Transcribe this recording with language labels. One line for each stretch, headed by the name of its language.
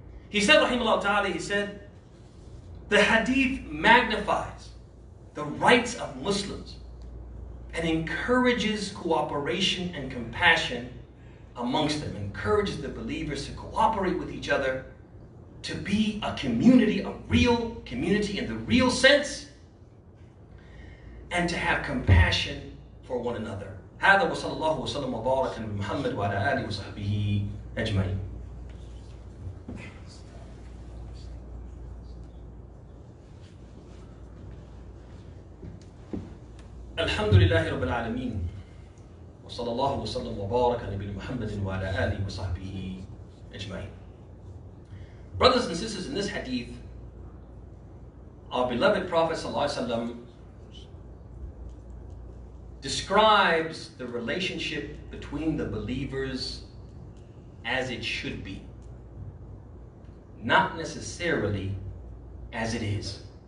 English: He said, rahimahullah ta'ala, he said, the hadith magnifies the rights of Muslims and encourages cooperation and compassion amongst them, encourages the believers to cooperate with each other, to be a community, a real community in the real sense, and to have compassion for one another.
Arabic: هذا وصلى الله وسلم وبارك على محمد وعلى آله وصحبه أجمعين. الحمد لله رب العالمين وصلى الله وسلم وبارك على نبينا محمد وعلى آله وصحبه أجمعين.
English: Brothers and sisters, in this hadith, our beloved Prophet sallallahu alaihi wasallam describes the relationship between the believers as it should be, not necessarily as it is.